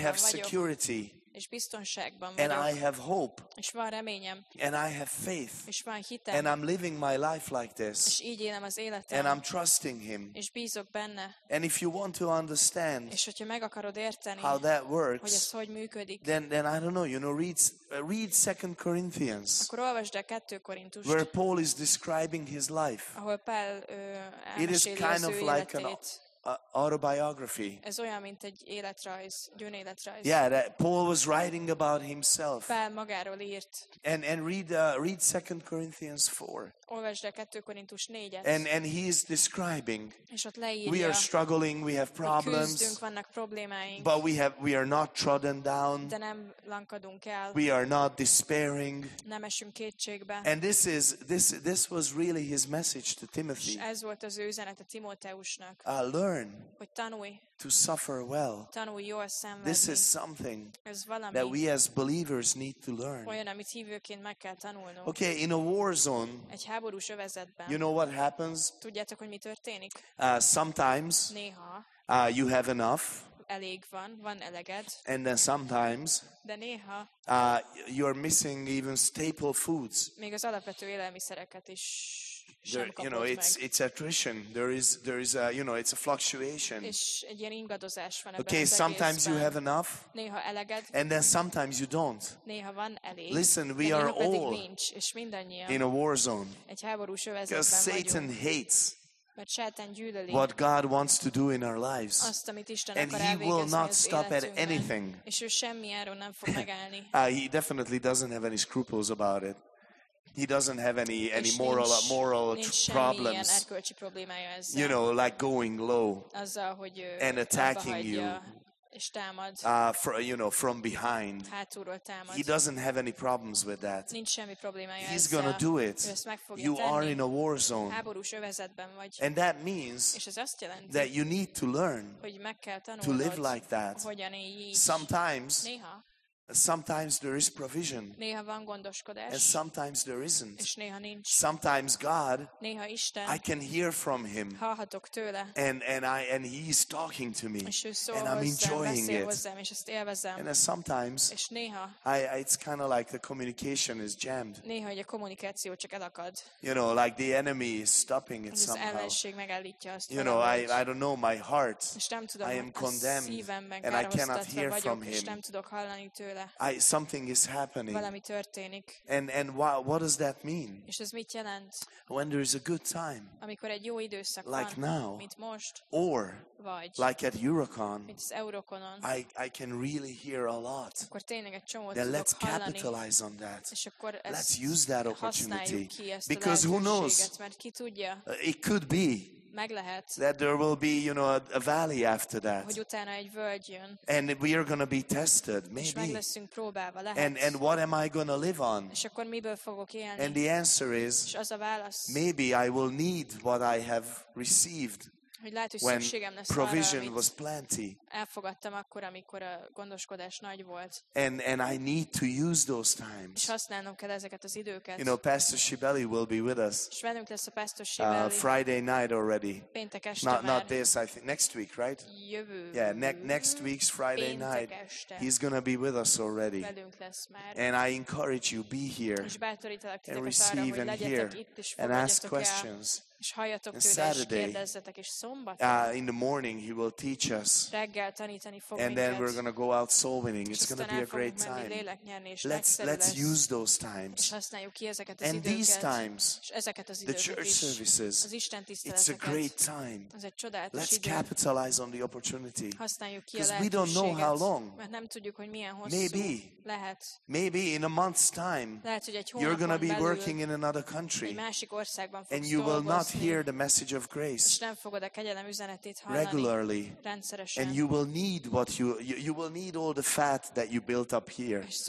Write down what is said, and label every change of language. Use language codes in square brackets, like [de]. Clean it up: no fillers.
[en] I have security. [hu] És biztonságban vagyok. [en] And I have hope. [hu] És van reményem. [en] And I have faith. [hu] És van hitem. [en] And I'm living my life like this. [hu] És így élem az életem. [en] And I'm trusting Him. [hu] És bízok benne. [en] And if you want to understand, [hu] és hogyha meg akarod érteni, [en] how that works, [hu] hogy ez hogy működik, [en] then I don't know, you know, read 2 Corinthians, [hu] akkor olvasd el 2 Korintust, [en] where Paul is describing his life. [hu] Ahol Pál [en] it is kind of like an autobiography. [hu] Ez olyan, mint egy életrajz, gyűnéletrajz. [en] Yeah, that Paul was writing about himself. [hu] Pál magáról írt. [en] And read 2 Corinthians 4. [hu] Olvasd el 2 Korintus 4-et. [en] And he is describing. [hu] És ott leírja. [en] We are struggling, we have problems. [hu] Küzdünk, vannak problémáink. [en] But we are not trodden down. [hu] De nem lankadunk el. [en] We are not despairing. [hu] Nem esünk kétségbe. [en] And this was really his message to Timothy. [hu] És ez volt az ő üzenet a Timóteusnak. [en] Learn [hu] hogy tanulj, [en] to suffer well. [hu] Tanulj jól szenvedni. [en] This is something [hu] ez valami, [en] that we as believers need to learn. [hu] Olyan, amit hívőként meg kell tanulnunk. [en] Okay, in a war zone, [hu] egy háborús övezetben, [en] you know what happens? [hu] Tudjátok, hogy mi történik? [en] Sometimes, [hu] néha, [en] you have enough. [hu] elég van, van eleged. [en] And then sometimes, [hu] de néha, [en] you're missing even staple foods. [hu] Még az alapvető élelmiszereket is [en] there, [hu] sem kapod [en] you know, it's attrition. There is a, you know, it's a fluctuation. [hu] És egy ilyen ingadozás van. [en] Okay, sometimes you have enough. [hu] Néha eleged. [en] And then sometimes you don't. [hu] Néha van elég. [en] Listen, we are all [hu] nincs, [en] in a war zone. [hu] Egy háborús övezetben vagyunk. [en] Because Satan hates what God wants to do in our lives. [hu] Azt, amit Isten [en] and he will not stop at anything. [hu] És ő semmi áron nem fog megállni. [en] He definitely doesn't have any scruples about it. He doesn't have any moral problems. You know, like going low [hu] azzal, hogy ő [en] and attacking you. [hu] És támad. [en] You know, from behind. [hu] Hátulról támad. [en] He doesn't have any problems with that. [hu] Nincs semmi problémája. [en] He's gonna do it. [hu] Ő ezt meg fogja [en] you [hu] tenni. [en] Are in a war zone. [hu] Háborús övezetben vagy. [en] And that means [hu] és ez azt jelenti, [en] that you need to learn [hu] hogy meg kell tanulnod, [en] to live like that. [hu] Hogyan élj így. [en] Sometimes. [hu] Néha. [en] Sometimes there is provision. [hu] Néha van gondoskodás. [en] And sometimes there isn't. [hu] És néha nincs. [en] Sometimes God. [hu] Néha Isten. [en] I can hear from him. [hu] Hallhatok tőle. [en] And he is talking to me. [hu] És ő szól [en] and I'm enjoying [hu] hozzám, [en] it. [hu] És ezt élvezem. [en] And then sometimes. [hu] És néha. [en] I it's kind of like the communication is jammed. [hu] Néha hogy a kommunikáció csak elakad. [en] You know, like the enemy is stopping it [hu] az [en] somehow. [hu] Az ellenség megállítja azt. [en] You know, I don't know my heart. [hu] És nem tudom, [en] I am condemned. And I cannot hear from him. [hu] És nem tudok hallani tőle. [en] Something is happening. [hu] Valami történik. [en] And what does that mean? [hu] És ez mit jelent? [en] When there is a good time. [hu] Amikor egy jó időszak [en] like [hu] van, [en] now. [hu] Mint most. [en] Or [hu] vagy, [en] like at Eurocon. [hu] Mint az Eurokonon. [en] I can really hear a lot. [hu] Akkor tényleg egy csomót tudok hallani. [en] capitalize on that. [hu] És akkor ezt [en] let's use that opportunity. [hu] Használjuk ki ezt [en] because who knows? [hu] Mert ki tudja. [en] It could be. [hu] Meg lehet, [en] that there will be, you know, a valley after that. [hu] Hogy utána egy völgy jön. [en] And we are going to be tested, maybe. [hu] És meg leszünk próbálva, lehet. [en] And what am I going to live on? [hu] És akkor miből fogok élni? [en] And the answer is, [hu] és az a válasz, [en] maybe I will need what I have received [hu] hogy lehet, hogy [en] when [hu] szükségem lesz [en] provision [hu] arra, [en] was plenty. [hu] Elfogadtam akkor, amikor a gondoskodás nagy volt. [en] And I need to use those times. [hu] És használnom kell ezeket az időket. [en] You know, Pastor Shibeli will be with us. [hu] És velünk lesz a Pastor [en] Shibeli. Friday night already. [hu] Péntek este [en] not, [hu] már. [en] Not this, I think. Next week, right? [hu] Jövő. [en] Yeah, next week's Friday [hu] péntek [en] night. [hu] Este. [en] He's going to be with us already. [hu] Velünk lesz már. [en] And I encourage you, be here. [hu] És bátorítalak titeket [en] and receive [hu] arra, hogy legyetek itt, és [en] and ask questions. [hu] El. És halljatok tőle, és kérdezzetek, és szombaton. [en] In the morning he will teach us. [hu] Reggel tanítani fog minket. [en] And then we're going to go out soul winning. It's going to be a great time. Let's use those times. [hu] És használjuk ki ezeket az időket. [en] And these times, [hu] ezeket az időket [en] the church services, [hu] az Isten tiszteleteket. [en] It's a great time. [hu] Ez egy csodálatos idő. [en] Let's capitalize on the opportunity. [hu] Használjuk ki a lehetőséget. [en] Because we don't know how long. [hu] Mert nem tudjuk, hogy milyen hosszú. [en] Maybe. [hu] Lehet. [en] Maybe in a month's time. [hu] Lehet, hogy egy hónapon [en] you're going to be working in another country. [hu] Egy másik országban fogsz [en] and you will not hear the message of grace regularly and you will need what you will need all the fat that you built up here.